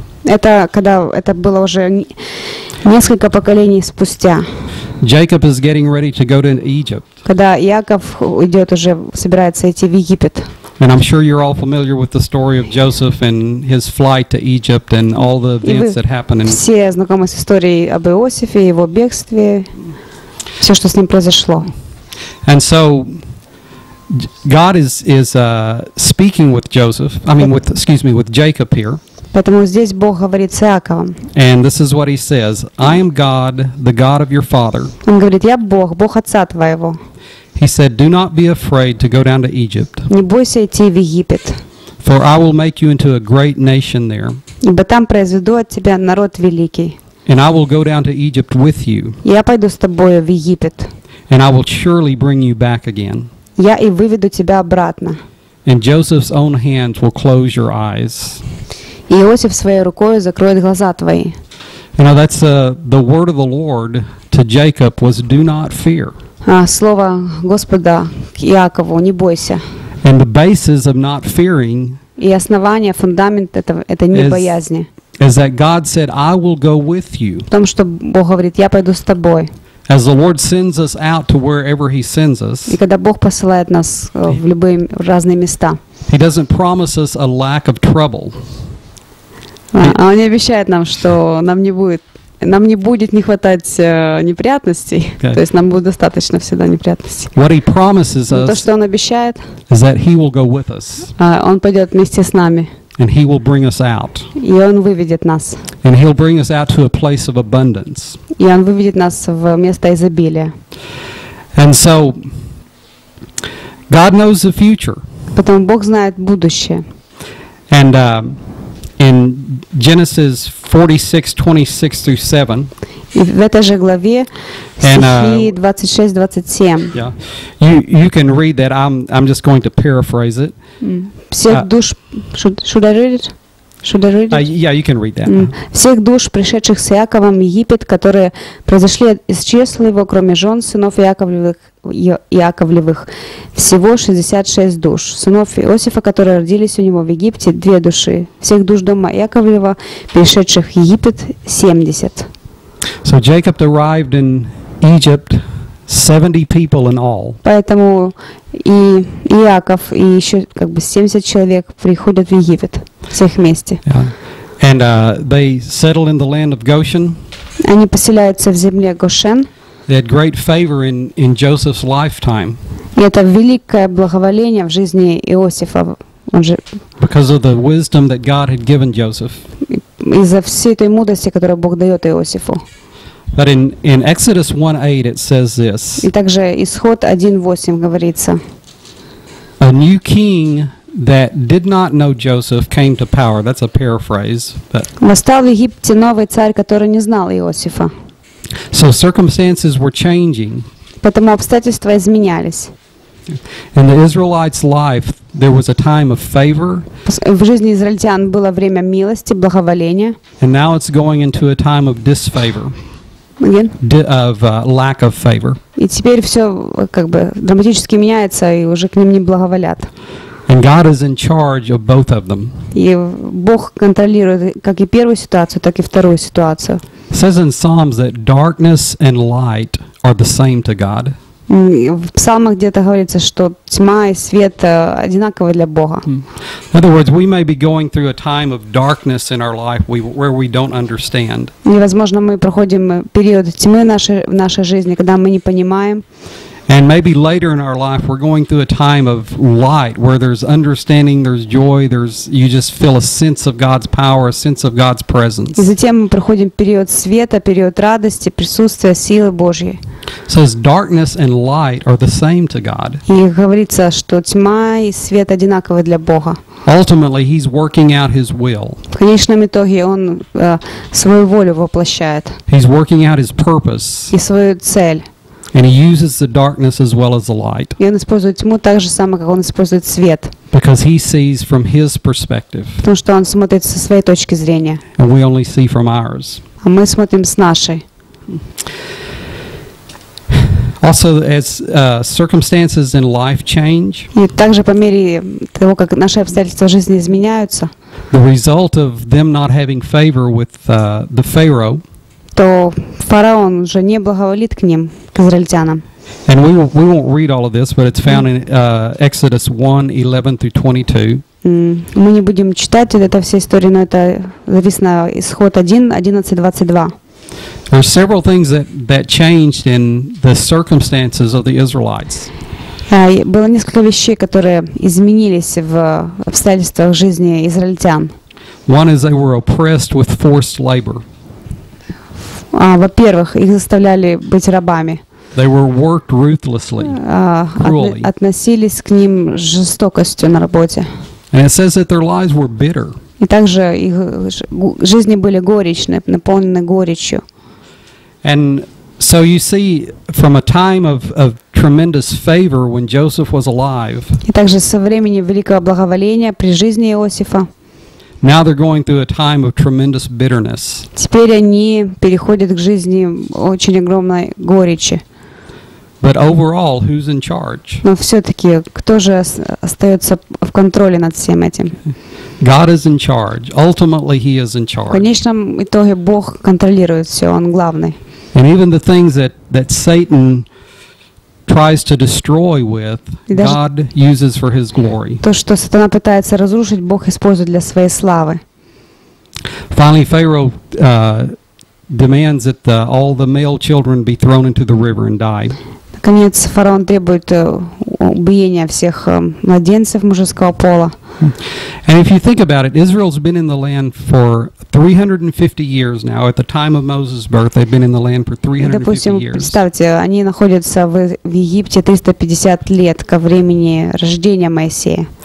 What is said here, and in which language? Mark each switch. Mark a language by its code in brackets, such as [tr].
[ru] Это когда это было уже несколько поколений спустя. [en] Jacob is getting ready to go to Egypt. [ru] Когда Яков идет уже собирается идти в Египет. [en] And I'm sure you're all familiar with the story of Joseph and his flight to Egypt and all the events that happened. [ru] И вы все знакомы с историей об Иосифе и его бегстве, все, что с ним произошло. [en] And so God is speaking with Joseph. With Jacob here. [ru] Поэтому здесь Бог говорит с Иаковом. [en] And this is what he says: I am God, the God of your father. [ru] Он говорит: Я Бог, Бог отца твоего. [en] He said, "Do not be afraid to go down to Egypt." [ru] Не бойся идти в Египет. [en] For I will make you into a great nation there. [ru] Ибо там произведу от тебя народ великий. [en] And I will go down to Egypt with you. [ru] Я пойду с тобою в Египет. [en] And I will surely bring you back again. [ru] Я и выведу тебя обратно. [en] And Joseph's own hands will close your eyes. [ru] И Иосиф своей рукой закроет глаза твои. [en] You know, that's the word of the Lord to Jacob was, "Do not fear." [ru] Слово Господа к Иакову: не бойся. [en] And the basis of not fearing. [ru] И основание, фундамент это не боязни. [en] Is that God said, "I will go with you." [ru] В том, что Бог говорит: я пойду с тобой. [en] As the Lord sends us out to wherever He sends us. [ru] И когда Бог посылает нас в любые разные места. [en] He doesn't promise us a lack of trouble. [ru] А он не обещает нам, что нам не будет не хватать неприятностей. Okay. То есть нам будет достаточно всегда неприятностей. [en] What he promises us, [ru] то, что он обещает, [en] is that he will go with us. [ru] Он пойдет вместе с нами. [en] And he will bring us out. [ru] И он выведет нас. [en] And he'll bring us out to a place of abundance. [ru] И он выведет нас в место изобилия. [en] And so God knows the future. [ru] Потому Бог знает будущее. [en] And in Genesis 46:26-7. [ru] И в этой же главе, стихи 26-27. [en] Yeah. You can read that. I'm just going to paraphrase it. [ru] Всех душ, [en] should I read it? Yeah, you can read that. [ru] Всех душ, пришедших с Иаковом в Египет, которые произошли из числа его, кроме жен сынов Иаковлевых, всего 66 душ. Сынов Иосифа, которые родились у него в Египте, 2 души. Всех душ дома Иаковлева, пришедших в Египет, 70. [en] So Jacob arrived in Egypt, 70 people in all. [ru] Поэтому и Иаков, и еще 70 человек приходят в Египет, всех вместе. [en] Yeah. And they settle in the land of Goshen. [ru] Они поселяются в земле Гошен. [en] They had great favor in Joseph's lifetime. [ru] И это великое благоволение в жизни Иосифа. [en] Because of the wisdom that God had given Joseph. [ru] Из-за всей той мудрости, которую Бог дает Иосифу. [en] But in Exodus 1:8 it says this. [ru] И также Исход 1:8 говорится. [en] A new king that did not know Joseph came to power. That's a paraphrase. [ru] Восстал в Египте новый царь, который не знал Иосифа. [en] So circumstances were changing. [ru] Потому обстоятельства изменялись. [en] In the Israelites' life, there was a time of favor. [ru] В жизни израильтян было время милости, благоволения. [en] And now it's going into a time of disfavor. Lack of favor. [ru] И теперь все как бы драматически меняется, и уже к ним не благоволят. [en] And God is in charge of both of them. [ru] И Бог контролирует как и первую ситуацию, так и вторую ситуацию. [en] It says in Psalms that darkness and light are the same to God. [ru] В Псалмах где-то говорится, что тьма и свет одинаковы для Бога. [en] In other words, we may be going through a time of darkness in our life where we don't understand. [ru] И, возможно, мы проходим период тьмы в нашей жизни, когда мы не понимаем. [en] And maybe later in our life we're going through a time of light where there's understanding, there's joy, there's you just feel a sense of God's power, a sense of God's presence. [ru] И затем мы проходим период света, период радости, присутствия силы Божьей. [en] So darkness and light are the same to God. [ru] И говорится, что тьма и свет одинаковы для Бога. [en] Ultimately, he's working out his will. [ru] В конечном итоге он свою волю воплощает. [en] He's working out his purpose. [ru] И свою цель. [en] And he uses the darkness as well as the light. [ru] И он использует тьму так же само, как он использует свет. [en] Because he sees from his perspective. [ru] Потому что он смотрит со своей точки зрения. [en] And we only see from ours. [ru] А мы смотрим с нашей. [en] Also, as circumstances in life change. [ru] И также по мере того, как наши обстоятельства жизни изменяются. [en] The result of them not having favor with the Pharaoh. [ru] То фараон уже не благоволит к ним, к израильтянам. [en] And we won't read all of this, but it's found in Exodus 1:11-22. [ru] Мы не будем читать это всю историю, но это записано исход 1:11-22. [en] There are several things that changed in the circumstances of the Israelites. [ru] Было несколько вещей, которые изменились в обстоятельствах жизни израильтян. [en] One is they were oppressed with forced labor. [ru] Во-первых, их заставляли быть рабами. [en] They were worked ruthlessly, cruelly. [ru] Относились к ним с жестокостью на работе. [en] And it says that their lives were bitter. [ru] И также их жизни были горечны, наполнены горечью. [en] And so you see, from a time of tremendous favor when Joseph was alive. [ru] И также со времени великого благоволения при жизни Иосифа. [en] Now they're going through a time of tremendous bitterness. [ru] Теперь они переходят к жизни очень огромной горечи. [en] But overall, who's in charge? [ru] Но все-таки, кто же остается в контроле над всем этим? [en] God is in charge. Ultimately, he is in charge. [ru] В конечном итоге Бог контролирует все, он главный. [en] And even the things that Satan tries to destroy with, God uses for his glory. [ru] То, что сатана пытается разрушить, Бог использует для своей славы. [en] Finally, Pharaoh demands that all the male children be thrown into the river and die. [ru] Наконец, фараон требует убиения всех младенцев мужеского пола. [en] And if you think about it, Israel's been in the land for 350 years now. At the time of Moses' birth, they've been in the land for 350 [ru] Допустим, [en] years. [ru] Представьте, они находятся в Египте 350 лет ко времени рождения Моисея.